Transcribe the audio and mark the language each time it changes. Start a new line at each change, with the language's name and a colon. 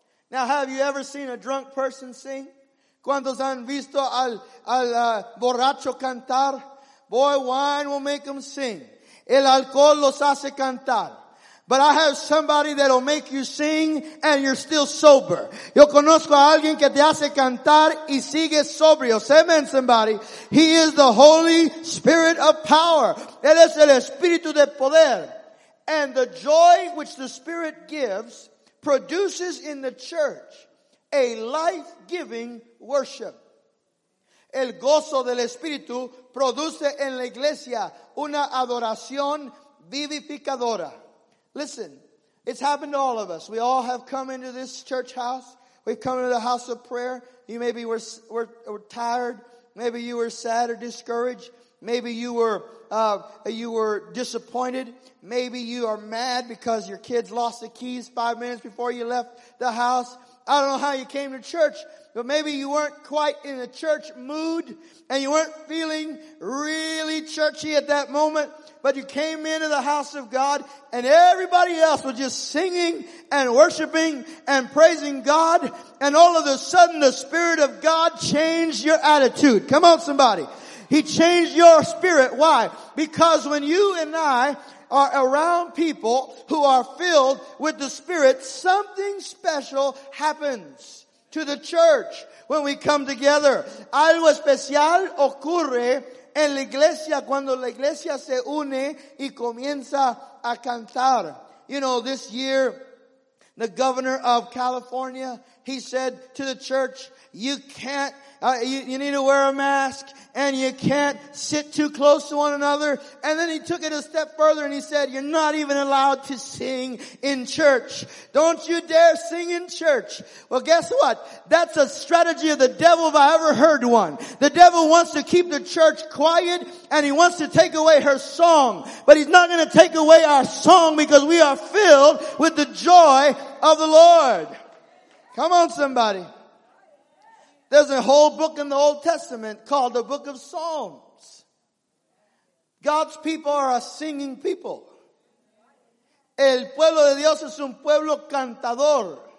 English: Now have you ever seen a drunk person sing?
Spanish: ¿Cuántos han visto al borracho cantar?
English: Boy, wine will make them sing.
Spanish: El alcohol los hace cantar.
English: But I have somebody that'll make you sing and you're still sober.
Spanish: Yo conozco a alguien que te hace cantar y sigue sobrio.
English: Say amen, somebody. He is the Holy Spirit of power.
Spanish: Él es el Espíritu de poder.
English: And the joy which the Spirit gives produces in the church a life-giving worship.
Spanish: El gozo del Espíritu produce en la iglesia una adoración vivificadora.
English: Listen, it's happened to all of us. We all have come into this church house. We've come into the house of prayer. You maybe were tired. Maybe you were sad or discouraged. Maybe you were disappointed. Maybe you are mad because your kids lost the keys 5 minutes before you left the house. I don't know how you came to church, but maybe you weren't quite in the church mood and you weren't feeling really churchy at that moment, but you came into the house of God and everybody else was just singing and worshiping and praising God, and all of a sudden the Spirit of God changed your attitude. Come on, somebody. He changed your spirit. Why? Because when you and I are around people who are filled with the Spirit, something special happens to the church when we come together.
Spanish: Algo especial ocurre en la iglesia cuando la iglesia se une y comienza a cantar.
English: You know, this year, the governor of California, he said to the church, you need to wear a mask and you can't sit too close to one another. And then he took it a step further and he said, you're not even allowed to sing in church. Don't you dare sing in church. Well, guess what? That's a strategy of the devil if I ever heard one. The devil wants to keep the church quiet and he wants to take away her song. But he's not going to take away our song because we are filled with the joy of the Lord. Come on, somebody. There's a whole book in the Old Testament called the Book of Psalms. God's people are a singing people.
Spanish: El pueblo de Dios es un pueblo cantador.